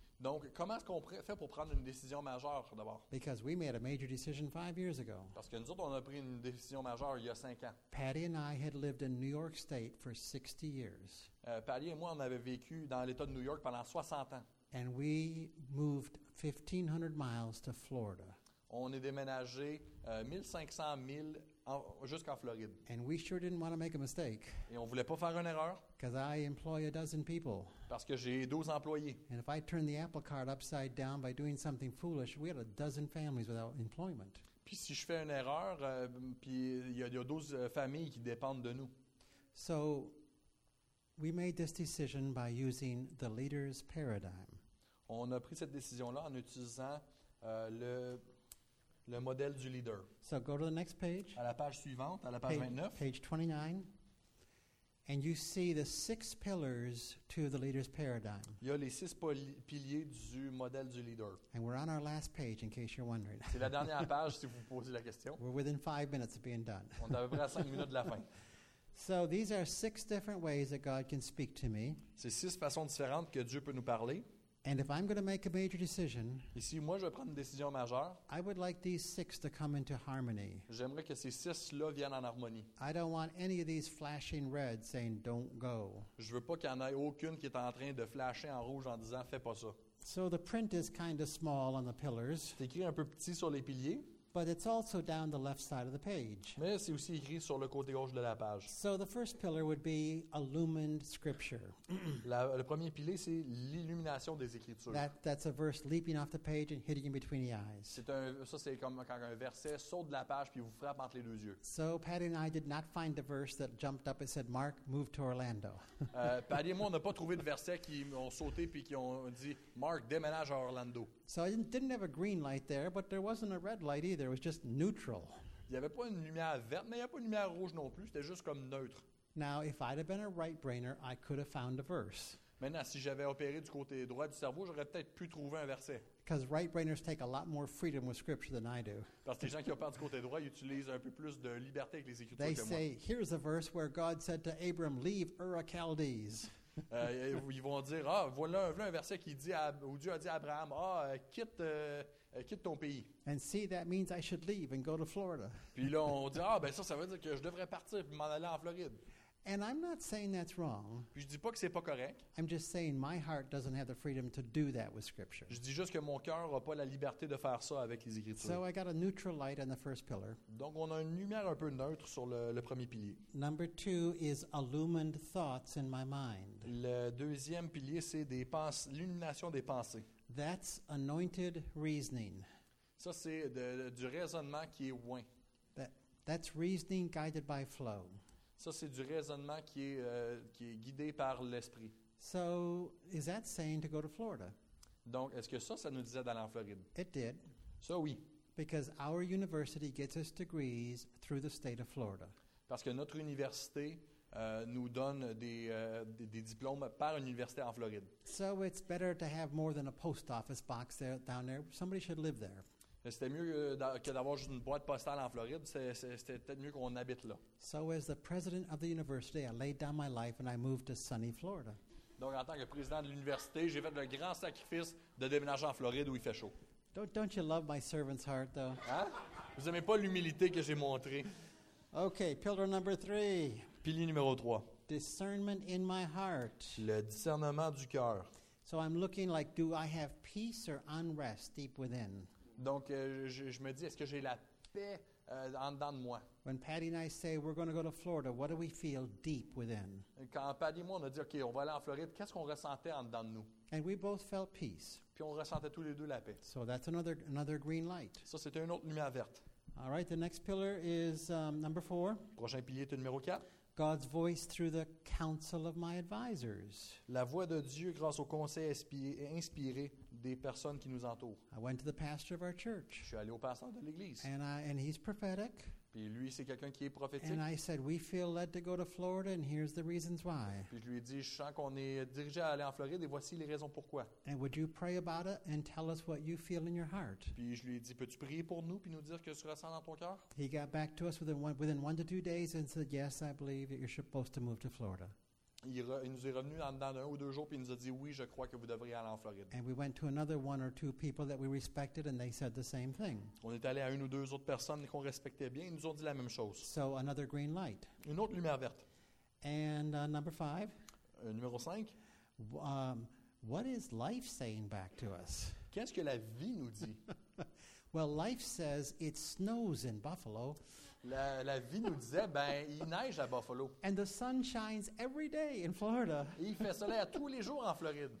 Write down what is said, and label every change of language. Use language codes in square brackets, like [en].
[fr] Donc, comment est-ce qu'on fait pour prendre une décision majeure, d'abord? [en] Because we made a major decision 5 years ago. [fr] Parce que nous autres, on a pris une décision majeure il y a 5 ans. [en] Patty and I had lived in New York State for 60 years. [fr] Patty et moi, on avait vécu dans l'État de New York pendant 60 ans. [en] And we moved 1,500 miles to Florida. [fr] On est déménagé 1500 miles jusqu'en Floride. [en] And we sure didn't want to make a mistake. [fr] Et on voulait pas faire une erreur. [en] Because I employ a dozen people. [fr] Parce que j'ai 12 employés. [en] And if I turn the apple cart upside down by doing something foolish, we had a dozen families without employment. [fr] Puis si je fais une erreur, puis il y a 12 familles qui dépendent de nous. [en] So we made this decision by using the leader's paradigm. [fr] On a pris cette décision-là en utilisant le modèle du leader. [en] So go to the next page. [fr] À la page suivante, à la page 29. [en] Page 29. And you see the six pillars to the leader's paradigm. [fr] Il y a les six piliers du modèle du leader. [en] And we're on our last page, in case you're wondering. [fr] C'est la dernière page, si vous posez la question. [en] We're within 5 minutes of being done. [fr] On est à peu près à 5 minutes de la fin. [en] So these are six different ways that God can speak to me. [fr] C'est six façons différentes que Dieu peut nous parler. [en] And if I'm going to make a major decision, [fr] et si moi je vais prendre une décision majeure, [en] I would like these six to come into harmony. [fr] J'aimerais que ces six-là viennent en harmonie. [en] I don't want any of these flashing red saying don't go. [fr] Je veux pas qu'il y en ait aucune qui est en train de flasher en rouge en disant fais pas ça. [en] So the print is kind of small on the pillars. [fr] C'est écrit un peu petit sur les piliers. [en] But it's also down the left side of the page. [fr] Mais c'est aussi écrit sur le côté gauche de la page. [en] So the first pillar would be illumined scripture. [fr] Le premier pilier, c'est l'illumination des écritures. [en] That's a verse leaping off the page and hitting you between the eyes. [fr] C'est comme quand un verset saute de la page puis vous frappe entre les deux yeux. [en] So Patty and I did not find the verse that jumped up and said, "Mark, move to Orlando." [fr] Patty et moi, on n'a pas trouvé de verset qui ont sauté puis qui ont dit, "Mark, déménage à Orlando." [en] So I didn't have a green light there, but there wasn't a red light either. It was just neutral. [fr] Il y avait pas une lumière verte, mais il y a pas une lumière rouge non plus. C'était juste comme neutre. [en] Now, if I'd have been a right-brainer, I could have found a verse. [fr] Maintenant, si j'avais opéré du côté droit du cerveau, j'aurais peut-être pu trouver un verset. [en] Because right-brainers take a lot more freedom with scripture than I do. [fr] Parce que les gens qui opèrent du côté droit, ils utilisent un peu plus de liberté avec les écritures que moi. [en] They say, "Here's a verse where God said to Abram, 'Leave Ur of Chaldees.'" [fr] ils vont dire, ah, voilà un verset qui dit où Dieu a dit à Abraham, ah, quitte ton pays. [en] And see, that means I should leave and go to Florida. [fr] Puis là, on dit, ah, ben ça veut dire que je devrais partir et m'en aller en Floride. [en] And I'm not saying that's wrong. [fr] Puis je dis pas que c'est pas correct. [en] I'm just saying my heart doesn't have the freedom to do that with Scripture. [fr] Je dis juste que mon cœur n'a pas la liberté de faire ça avec les Écritures. [en] So I got a neutral light on the first pillar. [fr] Donc on a une lumière un peu neutre sur le premier pilier. [en] Number two is illumined thoughts in my mind. [fr] Le deuxième pilier c'est l'illumination des pensées. [en] That's anointed reasoning. [fr] Ça c'est du raisonnement qui est oint. [en] That's reasoning guided by flow. [fr] Ça, c'est du raisonnement qui est guidé par l'esprit. [en] So, is that saying to go to Florida? [fr] Donc, est-ce que ça nous disait d'aller en Floride? [en] It did. [fr] Ça, oui. [en] Because our university gets its degrees through the state of Florida. [fr] Parce que notre université nous donne des diplômes par une université en Floride. [en] So, it's better to have more than a post office box there, down there. Somebody should live there. [fr] C'était mieux que d'avoir juste une boîte postale en Floride. C'était peut-être mieux qu'on habite là. [en] So as the president of the university, I laid down my life and I moved to sunny Florida. [fr] Donc en tant que président de l'université, j'ai fait le grand sacrifice de déménager en Floride où il fait chaud. [en] Don't you love my servant's heart, though? [fr] Hein? Vous aimez pas l'humilité que j'ai montrée? [en] Okay, pillar number three. [fr] Pilier numéro 3. [en] Discernment in my heart. [fr] Le discernement du cœur. [en] So I'm looking like, do I have peace or unrest deep within? [fr] Donc, je me dis, est-ce que j'ai la paix en dedans de moi? [en] When Patty and I say we're going to go to Florida, what do we feel deep within? [fr] Quand Patty et moi on a dit OK, on va aller en Floride, qu'est-ce qu'on ressentait en dedans de nous? [en] And we both felt peace. [fr] Puis on ressentait tous les deux la paix. [en] So that's another green light. [fr] Ça c'était une autre lumière verte. [en] All right, the next pillar is number four. [fr] Prochain pilier est le numéro 4. [en] God's voice through the counsel of my advisors. [fr] La voix de Dieu grâce au conseil inspiré des personnes qui nous entourent. [en] I went to the pastor of our church. [fr] Je suis allé au pasteur de l'église. [en] And he's prophetic. [fr] Puis lui, c'est quelqu'un qui est prophétique. [en] And I said, we feel led to go to Florida, and here's the reasons why. [fr] Puis je lui ai dit, je sens qu'on est dirigé à aller en Floride, et voici les raisons pourquoi. [en] And would you pray about it and tell us what you feel in your heart? [fr] Puis je lui ai dit, peux-tu prier pour nous puis nous dire que tu ressens dans ton cœur? [en] He got back to us within 1 to 2 days and said, yes, I believe that you're supposed to move to Florida. [fr] Il nous est revenu dans 1 ou 2 jours puis il nous a dit, oui, je crois que vous devriez aller en Floride. [en] And we went to another 1 or 2 people that we respected and they said the same thing. [fr] On est allé à 1 ou 2 autres personnes qu'on respectait bien et ils nous ont dit la même chose. [en] So another green light. [fr] Une autre lumière verte. [en] And number 5. [fr] Numéro 5. [en] What is life saying back to us? [fr] Qu'est-ce que la vie nous dit? [en] Well, life says it snows in Buffalo. [fr] La vie nous disait, ben, il neige à Buffalo. [en] And the sun shines every day in Florida. [fr] Et il fait soleil tous les jours en Floride.